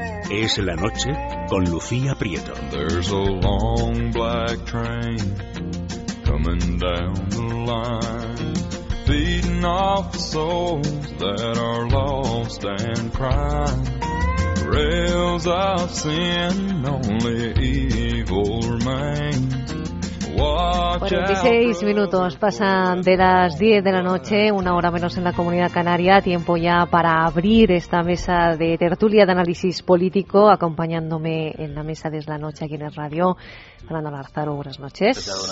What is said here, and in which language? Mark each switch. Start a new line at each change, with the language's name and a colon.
Spanish: Es la noche con Lucía Prieto.
English: There's a long black train coming down the line, feeding off the souls that are lost and crying. Rails of sin, only evil remains.
Spanish: Bueno, 16 minutos pasan de las 10 de la noche, una hora menos en la Comunidad Canaria, tiempo ya para abrir esta mesa de tertulia de análisis político, acompañándome en la mesa de la noche aquí en el radio, Fernando Lázaro, buenas noches.